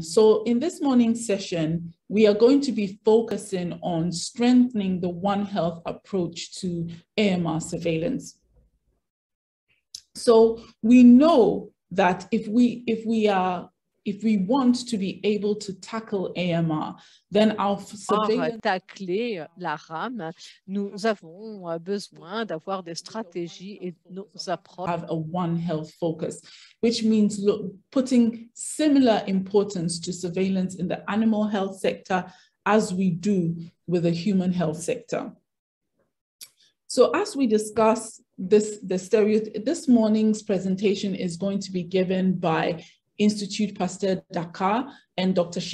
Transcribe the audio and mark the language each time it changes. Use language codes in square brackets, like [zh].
[en] So in this morning's session, we are going to be focusing on strengthening the One Health approach to AMR surveillance. So we know that if we want to be able to tackle AMR, then our surveillance... [fr] Pour tacler la RAM, nous avons besoin d'avoir des stratégies et nos approches... [en] ...have a One Health focus, which means putting similar importance to surveillance in the animal health sector as we do with the human health sector. So as we discuss this, this morning's presentation is going to be given by Institut Pasteur de Dakar and Dr.